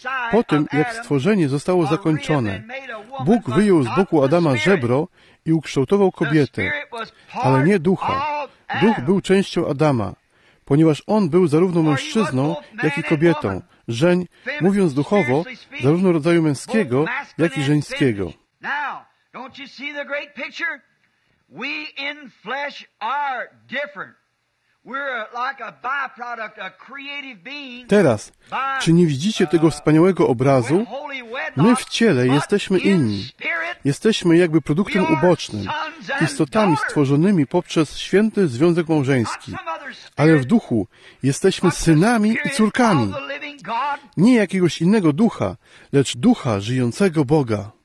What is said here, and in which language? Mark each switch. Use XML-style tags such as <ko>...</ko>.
<pl>Po tym, jak stworzenie zostało zakończone, Bóg wyjął z boku Adama żebro i ukształtował kobietę, ale nie ducha. Duch był częścią Adama, ponieważ on był zarówno mężczyzną, jak i kobietą. Żeń, mówiąc duchowo, zarówno rodzaju męskiego, jak i żeńskiego.</pl> <en>Don't you see the great picture? We in flesh are different. We're like a byproduct, a creative being.</en> <pl>Teraz, czy nie widzicie tego wspaniałego obrazu? My w ciele jesteśmy inni. Jesteśmy jakby produktem ubocznym, istotami stworzonymi poprzez święty związek małżeński. Ale w duchu jesteśmy synami i córkami. Nie jakiegoś innego ducha, lecz ducha żyjącego Boga.</pl>